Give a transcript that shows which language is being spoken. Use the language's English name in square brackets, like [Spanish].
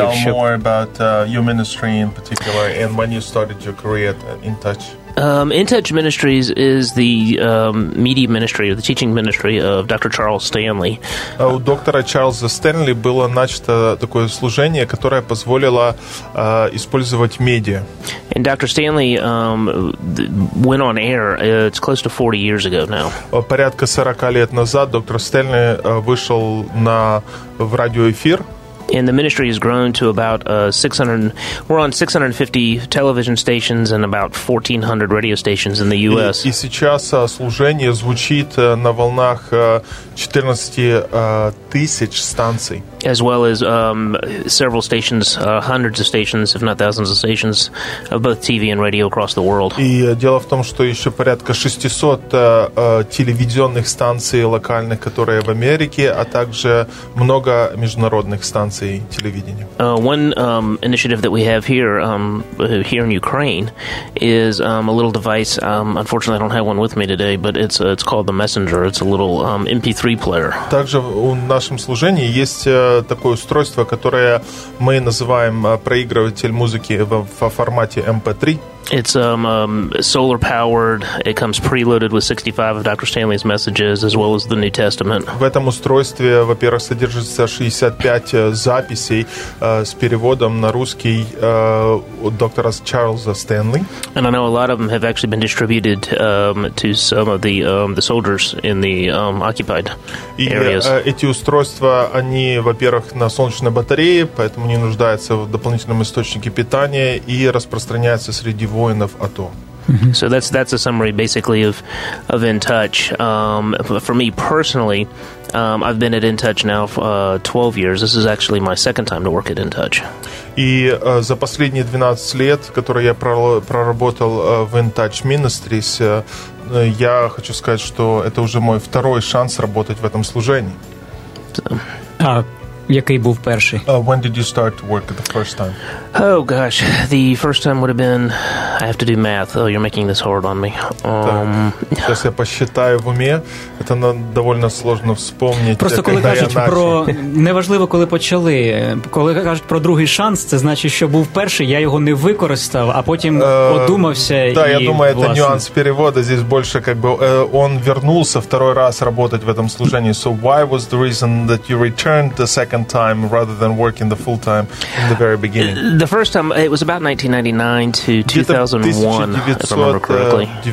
[English] Can you tell more about your ministry in particular and when you started your career at In Touch? In Touch Ministries is the media ministry, or the teaching ministry of Dr. Charles Stanley. [Ukrainian] У доктора Чарльза Стенлі було начато таке служення, яке дозволило використовувати медіа. [English] And Dr. Stanley went on air, it's close to 40 years ago now. [Ukrainian] Порядка 40 років назад доктор Стенлі вийшов в радіоефір. [English] And the ministry has grown to about 600, we're on 650 television stations and about 1400 radio stations in the US. [Russian] І сейчас служение звучит на волнах 14,000 станций. [English] As well as several stations, hundreds of stations, if not thousands of stations of both TV and radio across the world. [Russian] І дело в том, что ещё порядка 600 телевизионных станций локальных, которые в Америке, а также много международных станций. [English] One initiative that we have here here in Ukraine is a little device. Unfortunately, I don't have one with me today, but it's called the Messenger. It's a little MP3 player. [Russian] Также у нашем служении есть такое устройство, которое мы называем проигрыватель музыки в формате MP3. [English] It's solar powered. It comes preloaded with 65 of Dr. Stanley's messages as well as the New Testament. [Russian] В этом устройстве, во-первых, содержится 65 записей с переводом на русский доктора Чарльза Стэнли. [English] And I know a lot of them have actually been distributed to some of the soldiers in the occupied areas. [Russian] Эти устройства, они, во-первых, на солнечной батарее, поэтому не нуждаются в дополнительном источнике питания и распространяются среди воинов АТО. [English] So that's a summary basically of In Touch. For me personally, I've been at In Touch now for 12 years. This is actually my second time to work at In Touch. [Ukrainian] І за останні 12 лет, які я проработав в In Touch Ministries, я хочу сказати, що це вже мій другий шанс працювати в цьому служенні. Який був перший? [English] When did you start to work the first time? Oh gosh, the first time would have been, I have to do math. Oh, you're making this hard on me. [Ukrainian] Зараз я посчитаю в умі, це довольно складно вспомнити. Просто коли кажуть про неважливо, коли почали, коли кажуть про другий шанс, це значить, що був перший, я його не використав, а потім одумався і так, я думаю, це нюанс переводу, [Russian] здесь більше якби он вернулся второй раз работать в этом служении. [English] So why was the reason that you returned the second time rather than working the full time in the very beginning? The first time it was about 1999 to 2001, if I remember correctly.